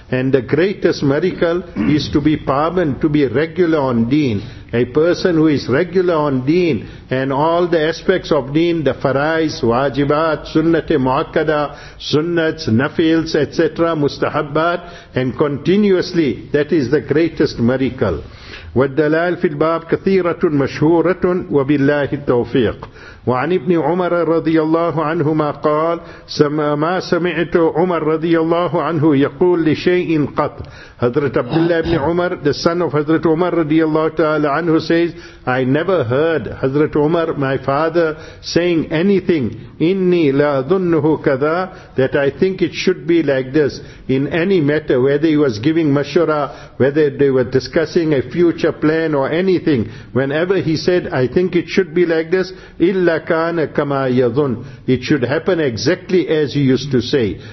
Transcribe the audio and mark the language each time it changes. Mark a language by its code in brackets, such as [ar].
[en] And the greatest miracle is to be pardoned, to be regular on deen. A person who is regular on deen and all the aspects of deen, the farais, wajibat, sunnat muakkada, sunnats, nafils, etc., mustahabbat, and continuously, that is the greatest miracle. [ar] والدلال في الباب كثيرة مشهورة وبالله التوفيق وعن ابن عمر رضي الله عنهما قال ما سمعت عمر رضي الله عنه يقول لشيء قط. [en] حضرت عبد الله بن عمر, the son of حضرت عمر رضي الله تعالى عنه, says I never heard حضرت عمر my father saying anything, إني لا ظنه كذا, that I think it should be like this, in any matter, whether he was giving mashura, whether they were discussing a future plan or anything, whenever he said I think it should be like this, إلا كَانَ كَمَا يَظُنْ, it should happen exactly as he used to say.